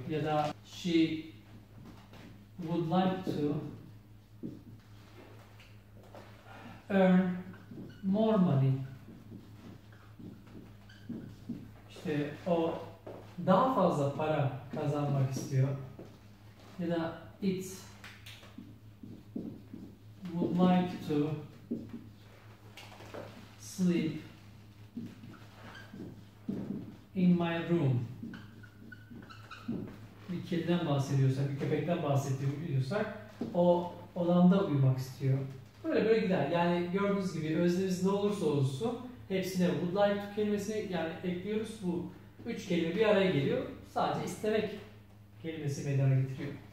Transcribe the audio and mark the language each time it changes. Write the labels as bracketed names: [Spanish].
[Turkish] Ya da [English] she would like to earn more money. [Turkish] İşte o daha fazla para kazanmak istiyor. Ya da [English] it would like to sleep in my room. [Turkish] Bir kediden bahsediyorsak, bir köpekten bahsediyorsak, o odamda uyumak istiyor. Böyle böyle gider. Yani gördüğünüz gibi özneniz ne olursa olsun hepsine would like to kelimesi yani ekliyoruz. Bu üç kelime bir araya geliyor. Sadece istemek kelimesi meydana getiriyor.